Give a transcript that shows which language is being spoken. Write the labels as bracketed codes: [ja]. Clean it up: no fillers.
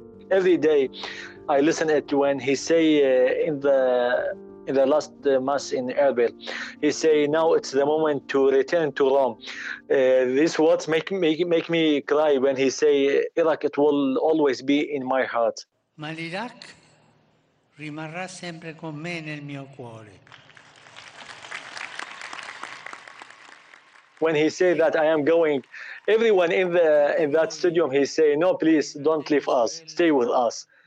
[en] Every day I listen it when he say in the last mass in Erbil, he say, now it's the moment to return to Rome. These words make me cry when he say, Iraq, it will always be in my heart. [it] Ma l'Iraq rimarrà sempre con me nel mio cuore. [en] When he say that I am going, everyone in that stadium, he say, no, please don't leave us, stay with us.